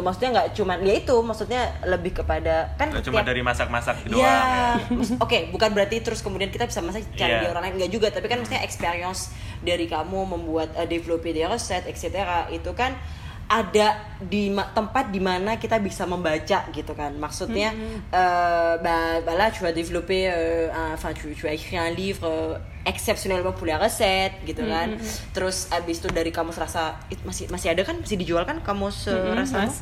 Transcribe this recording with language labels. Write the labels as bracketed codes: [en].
[id] Maksudnya gak cuma, ya itu, maksudnya lebih kepada kan, gak cuma dari masak-masak doang ya. Bukan berarti terus kemudian kita bisa masak cari di orang lain, gak juga. Tapi kan maksudnya experience dari kamu membuat [en] develop the recipe, etc. [id] Itu kan ada di tempat di mana kita bisa membaca gitu kan. [fr] Maksudnya bah tu as développé enfin tu as écrit un livre exceptionnellement pour les recettes [id] gitu kan. Terus abis itu dari kamu serasa masih ada kan, masih dijual kan kamu serasa?